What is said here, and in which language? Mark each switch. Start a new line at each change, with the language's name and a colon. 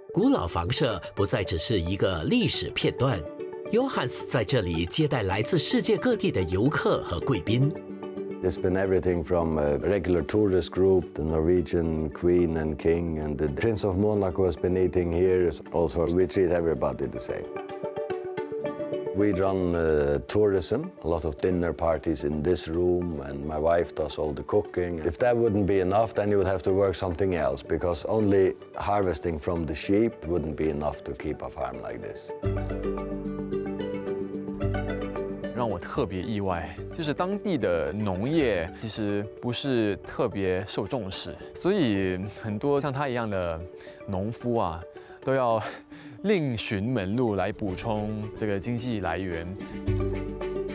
Chinese: 古老房舍不再只是一个历史片段，约翰斯在这里接待来自世界各地的游客和贵宾。
English: It's been everything from a regular tourist group, the Norwegian queen and king, and the Prince of Monaco has been eating here. Also, we treat everybody the same. We run tourism, a lot of dinner parties in this room, and my wife does all the cooking. If that wouldn't be enough, then you would have to work something else, because only harvesting from the sheep wouldn't be enough to keep a farm like this.
Chinese: 让我特别意外，就是当地的农业其实不是特别受重视，所以很多像他一样的农夫啊，都要另寻门路来补充这个经济来源。